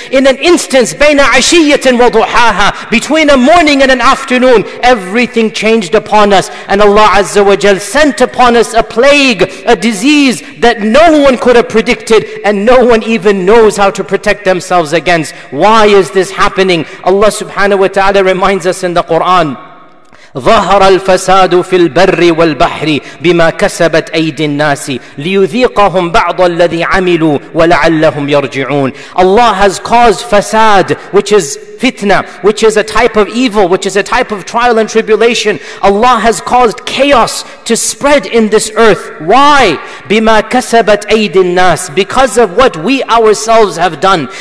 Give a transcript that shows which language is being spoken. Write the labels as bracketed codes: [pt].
[en] In an instance, [ar] بين عشية وضحاها, [en] between a morning and an afternoon, everything changed upon us. And Allah Azza wa Jal sent upon us a plague, a disease that no one could have predicted and no one even knows how to protect themselves against. Why is this happening? Allah subhanahu wa ta'ala reminds us in the Quran, [ar] ظهر الفساد في البر والبحر بما كسبت أيدي الناس ليذيقهم بعض الذي عملوا ولعلهم يرجعون. [en] Allah has caused fasad, which is fitna, which is a type of evil, which is a type of trial and tribulation. Allah has caused chaos to spread in this earth. Why? [ar] بِمَا كَسَبَتْ أَيْدِ النَّاسِ, [en] because of what we ourselves have done.